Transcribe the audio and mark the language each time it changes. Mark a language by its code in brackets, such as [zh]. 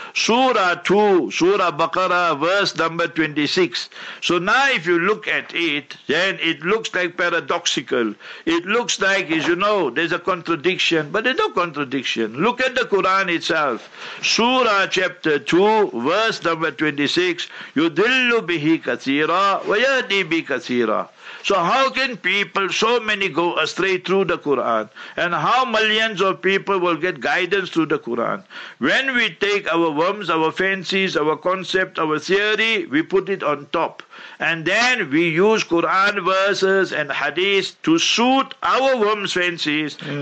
[en] Surah 2, Surah Baqarah, verse number 26. So now if you look at it, then it looks like paradoxical. It looks like, as you know, there's a contradiction. But there's no contradiction. Look at the Quran itself. Surah chapter 2, verse number 26. [ar] يُدِلُّ بِهِ كَثِيرًا وَيَهْدِي بِهِ كَثِيرًا. [en] So how can people, so many, go astray through the Quran? And how millions of people will get guidance through the Quran? When we take our worms, our fancies, our concept, our theory, we put it on top. And then we use Quran verses and hadith to suit our worms, fancies. Mm.